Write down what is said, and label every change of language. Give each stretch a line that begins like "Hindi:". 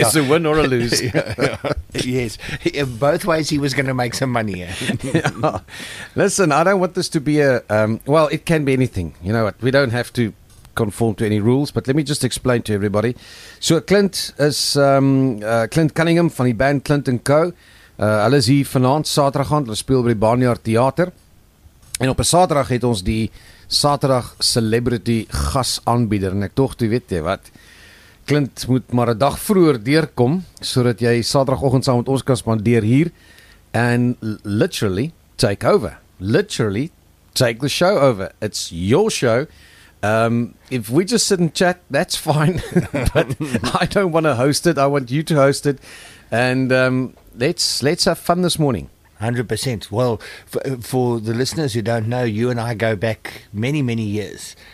English: It's a win or a lose. Yeah, yeah. Yes. Both ways, he was going to make some money. Yeah. Listen, I don't want this to be a, well, it can be anything. You know what? We don't have to conform to any rules, but let me just explain to everybody. So Clint is Clint Cunningham
Afrikaans: van die band
English: Clint & Co.
Afrikaans: Hulle is hier vanavond Saterdag aan, hulle speel by die Barnyard Theater, en op 'n Saterdag het ons die Saterdag Celebrity gasaanbieder, en ek tog, jy weet jy wat, Clint moet maar 'n dag vroeër deurkom sodat jy Saterdagoggend saam met ons kan spandeer hier
English: and literally take over. Literally take the show over. It's your show. If we just sit and chat, that's fine. But I don't want to host it. I want you to host it. And let's have fun this morning. 100%. Well, for the listeners who don't know, you and I go back many, many years.